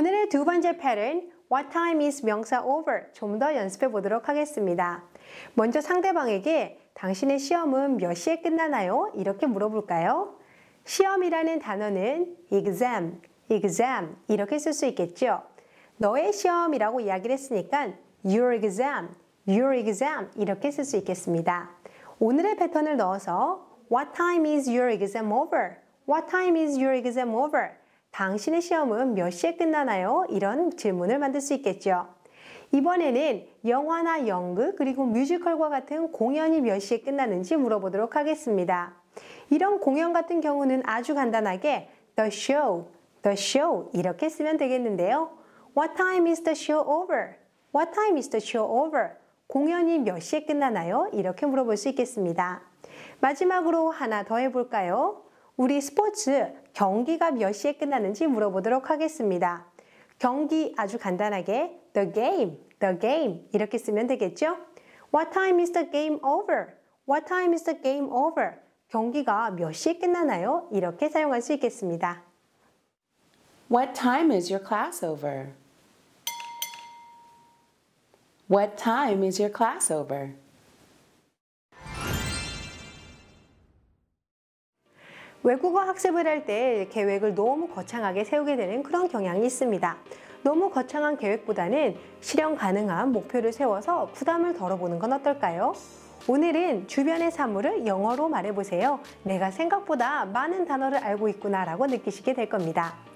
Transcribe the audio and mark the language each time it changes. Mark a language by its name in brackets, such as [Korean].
[English] Two 번째 pattern, What time is 명사 over? [Korean] 좀 더 연습해 보도록 하겠습니다. 먼저 상대방에게 당신의 시험은 몇 시에 끝나나요? 이렇게 물어볼까요? 시험이라는 단어는 exam 이렇게 쓸 수 있겠죠. 너의 시험이라고 이야기를 했으니까 [English] your exam, your exam [Korean] 이렇게 쓸 수 있겠습니다. 오늘의 패턴을 넣어서 [English] What time is your exam over? What time is your exam over? [Korean] 당신의 시험은 몇 시에 끝나나요? 이런 질문을 만들 수 있겠죠. 이번에는 영화나 연극 그리고 뮤지컬과 같은 공연이 몇 시에 끝나는지 물어보도록 하겠습니다. 이런 공연 같은 경우는 아주 간단하게 [English] the show, the show [Korean] 이렇게 쓰면 되겠는데요. [English] What time is the show over? What time is the show over? [Korean] 공연이 몇 시에 끝나나요? 이렇게 물어볼 수 있겠습니다. 마지막으로 하나 더 해볼까요? 우리 스포츠 경기가 몇 시에 끝나는지 물어보도록 하겠습니다. 경기 아주 간단하게 [English] the game, the game [Korean] 이렇게 쓰면 되겠죠? [English] What time is the game over? What time is the game over? [Korean] 경기가 몇 시에 끝나나요? 이렇게 사용할 수 있겠습니다. [English] What time is your class over? What time is your class over? [Korean] 외국어 학습을 할 때 계획을 너무 거창하게 세우게 되는 그런 경향이 있습니다. 너무 거창한 계획보다는 실현 가능한 목표를 세워서 부담을 덜어보는 건 어떨까요? 오늘은 주변의 사물을 영어로 말해보세요. 내가 생각보다 많은 단어를 알고 있구나라고 느끼시게 될 겁니다.